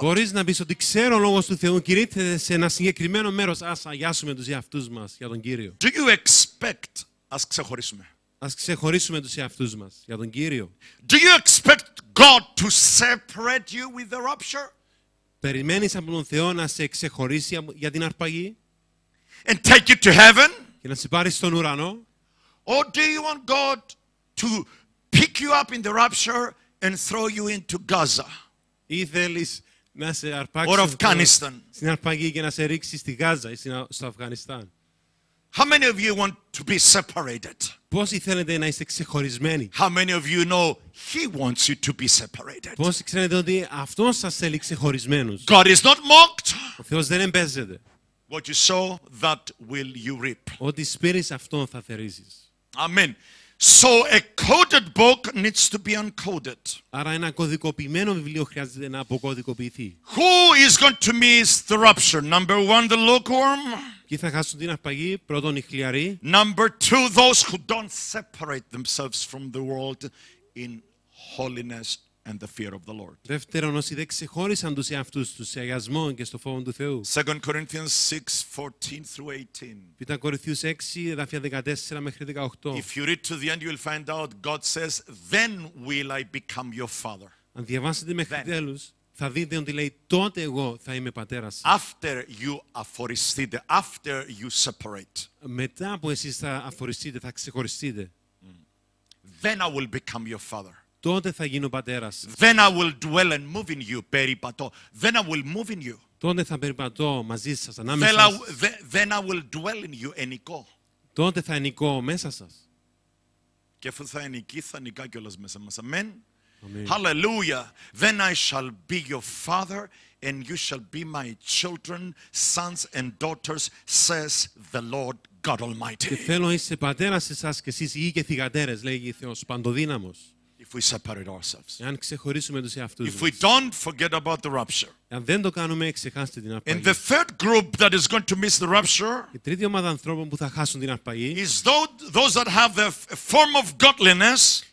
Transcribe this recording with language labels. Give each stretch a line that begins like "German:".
Greek: Μπορείς να πεις ότι ξέρω ο λόγος του Θεού κηρύττεται σε ένα συγκεκριμένο μέρος. Ας αγιάσουμε τους εαυτούς μας για τον Κύριο.
English: Do you expect,
Greek: ας ξεχωρίσουμε. Ας ξεχωρίσουμε τους εαυτούς μας για τον Κύριο.
English: Do you expect God to separate you with the rapture?
Greek: Περιμένεις από τον Θεό να σε ξεχωρίσει για την αρπαγή?
English: And take you to heaven?
Greek: Και να σε πάρει στον ουρανό?
English: Or do you want God to pick you up in the rapture and throw you into Gaza?
Greek: Ή θέλεις να σε αρπάξει
English: or Afghanistan?
Greek: Στην αρπαγή και να σε ρίξει στη Γάζα ή στο Αφγανιστάν?
English: How many of you want to be separated?
Greek: Πόσοι θέλετε να είστε ξεχωρισμένοι?
English: How many of you know he wants you to be separated?
Greek: Πόσοι ξέρετε ότι αυτός σας θέλει ξεχωρισμένους?
English: God is not mocked.
Greek: Ο Θεός δεν εμπέζεται.
English: What you sow, that will you reap.
Greek: Ό,τι σπείρεις, αυτόν θα θερίζεις.
English: Amen. So a coded book needs to be uncoded.
Greek: Άρα ένα κωδικοποιημένο βιβλίο χρειάζεται να αποκωδικοποιηθεί.
English: Who is going to miss the rupture? Number one, the lukewarm.
Greek: Ποιοι θα χάσουν την αρπαγή? Πρώτον, οι χλιαροί.
English: Number two, those who don't separate themselves from the world in holiness and the fear of the Lord.
Greek: Δεύτερον, όσοι δεν ξεχώρισαν τους εαυτούς τους σε αγιασμό και στο φόβο του Θεού.
English: 2 Corinthians 6:14 through 18.
Greek: Πήτα Κορυθίους 6, εδάφια 14 μέχρι 18.
English: If you read to the end, you will find out God says, then will I become your father.
Greek: Αν διαβάσετε μέχρι τέλους, θα δείτε ότι λέει, τότε εγώ θα είμαι πατέρας.
English: After you
Greek: αφοριστείτε,
English: after you separate.
Greek: Μετά που εσείς θα αφοριστείτε, θα ξεχωριστείτε.
English: Then I will become your father.
Greek: Τότε θα γίνω πατέρας.
English: Then I will dwell and move in you.
Greek: Περιπατώ.
English: Then I will move in you.
Greek: Τότε θα περιπατώ μαζί σας, ανάμεσα σας.
English: Then I will dwell in you and
Greek: νικώ. Τότε θα νικώ μέσα σας. Και αφού θα νικεί, θα νικά κιόλας μέσα μας. Αμέν. Hallelujah.
English: Then I shall be your father and you shall be my children, sons and daughters, says the Lord God Almighty.
Greek: Και θέλω είσαι πατέρας εσάς και εσείς γη και θυγατέρες, λέγει ο Θεός παντοδύναμος.
English: If we separate ourselves.
Greek: Εάν ξεχωρίσουμε τους εαυτούς μας.
English: If we don't forget about the rapture.
Greek: Εάν δεν το κάνουμε, ξεχάστε την αρπαγή.
English: And the third group that is going to miss the rapture.
Greek: Η τρίτη ομάδα ανθρώπων που θα χάσουν την αρπαγή.
English: Is those that have the form of godliness.